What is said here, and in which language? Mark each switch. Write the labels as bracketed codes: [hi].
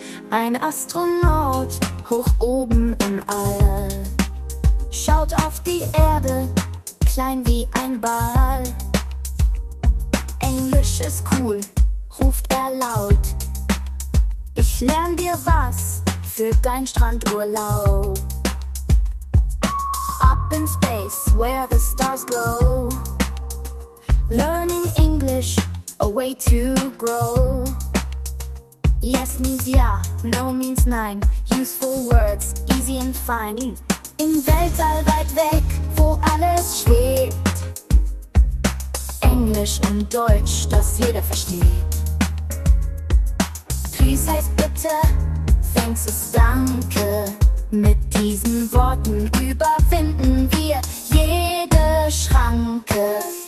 [de] Ein Astronaut hoch oben im All schaut auf die Erde, klein wie ein Ball. Englisch ist cool, ruft er laut. Ich lern dir was für dein Strandurlaub. [en] Up in space, where the stars glow. Learning English, a way to grow. Yes means yeah, no means nein. Useful words, easy and fine. [de] Im Weltall weit weg, wo alles schwebt. Englisch und Deutsch, das jeder versteht. Grüß heißt bitte, thanks ist danke. Mit diesen Worten überwinden wir jede Schranke.